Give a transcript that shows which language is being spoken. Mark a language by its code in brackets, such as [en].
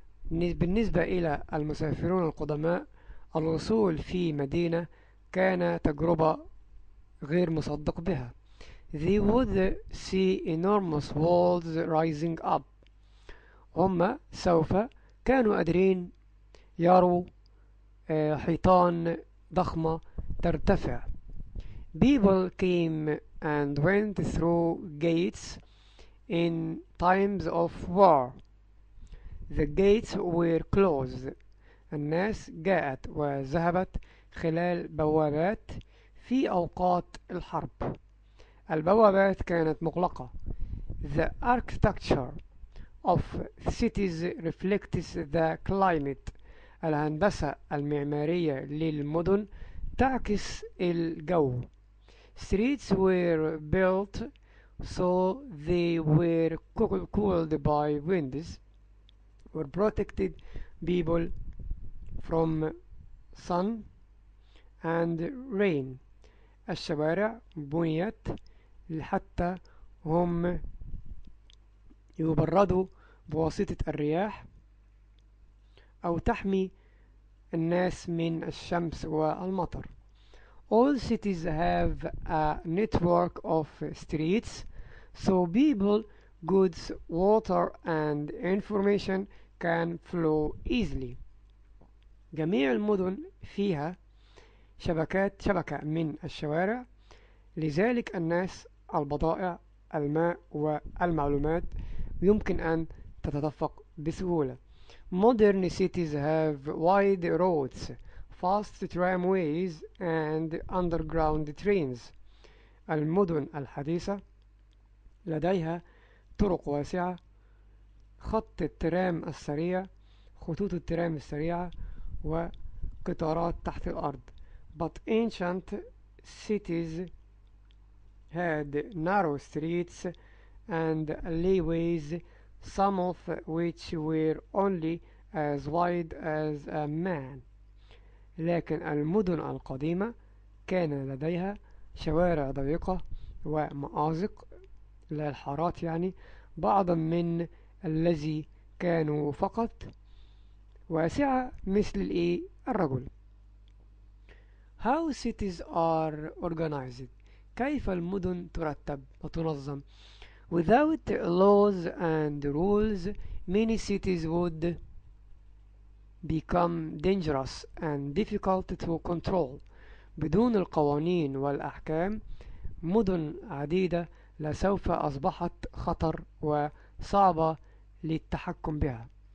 [ar] بالنسبة إلى المسافرون القدماء، الوصول في مدينة كان تجربة غير مصدق بها. [en] They would see enormous walls rising up. [ar] هم سوف كانوا أدرين يروا حيطان ضخمة ترتفع. [en] People came and went through gates in times of war. The gates were closed. [ar] الناس جاءت وذهبت خلال بوابات في أوقات الحرب. البوابات كانت مغلقة. [en] The architecture of cities reflects the climate. [ar] الهندسة المعمارية للمدن تعكس الجو. [en] Streets were built so they were cooled by winds or protected people from sun and rain. [ar] الشوارع بنيت لحتى هم يبردوا بواسطة الرياح أو تحمي الناس من الشمس والمطر. [en] All cities have a network of streets so people, goods, water and information can flow easily. [ar] جميع المدن فيها شبكة من الشوارع، لذلك الناس، البضائع، الماء والمعلومات يمكن أن تتدفق بسهولة. [en] Modern cities have wide roads, fast tramways, and underground trains. [ar] المدن الحديثة لديها طرق واسعة، خط الترام السريع، خطوط الترام السريعة، وقطارات تحت الأرض. [en] But ancient cities had narrow streets and alleyways, some of which were only as wide as a man. [ar] لكن المدن القديمة كان لديها شوارع ضيقة ومآزق للحارات، يعني بعض من الذي كانوا فقط واسعة مثل الرجل. [en] How cities are organized. [ar] كيف المدن ترتب وتنظم. [en] Without laws and rules, many cities would become dangerous and difficult to control. [ar] بدون القوانين والأحكام، مدن عديدة لسوف أصبحت خطر وصعبة للتحكم بها.